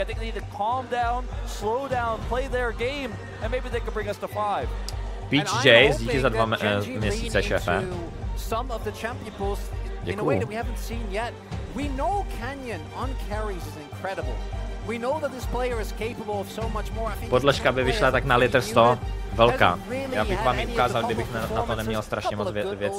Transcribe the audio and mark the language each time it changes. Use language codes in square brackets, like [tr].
[en] I think they need to calm down, slow down, play their game, and maybe they could bring us to five. [cs] Peach Jays, díky za dva měsíce, šéfe. [en] Some of the champion pools in a way that we haven't seen yet. We know Canyon on carries is incredible. We know that this player is capable of so much more. [cs] Podložka by vyšla tak na liter 100, velká. Já bych vám ji ukázal, kdybych na to neměl strašně moc věcí.